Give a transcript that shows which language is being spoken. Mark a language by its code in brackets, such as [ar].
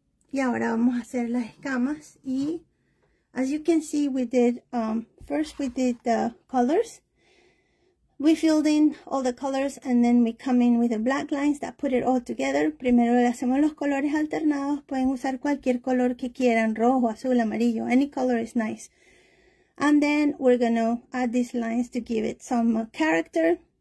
[es] Y ahora vamos a hacer las escamas. [en] Y as you can see, we did first we did the colors. We filled in all the colors and then we come in with the black lines that put it all together. [es] Primero le hacemos los colores alternados. Pueden usar cualquier color que quieran, rojo, azul, amarillo. [en] Any color is nice. And then we're gonna add these lines to give it some character.